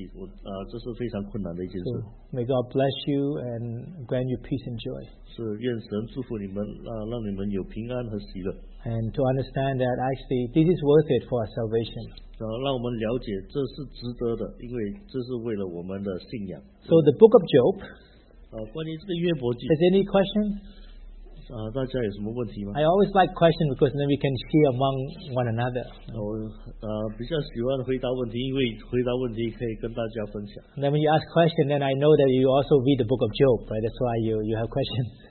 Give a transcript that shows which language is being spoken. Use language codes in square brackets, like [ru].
[zh] 对，很多在我们当中，很多都在上班，星期到星期天都得上班，星期六、星期天要来这里聚会，花两天的时间，没有留一点时间给自己，这是非常困难的一件事。 [en] May God bless you and grant you peace and joy. [zh] 是，愿神祝福你们，让你们有平安和喜乐。 [en] And to understand that actually this is worth it for our salvation. [zh] 让我们了解这是值得的，因为这是为了我们的信仰。 [en] So the book of Job. [zh] 关于这个约伯记, [en] has any questions? [zh] 大家有什么问题吗? [en] I always like questions because then we can share among one another. [zh] 我比较喜欢回答问题，因为回答问题可以跟大家分享。 [en] And then when you ask questions, then I know that you also read the book of Job, right? That's why you have questions.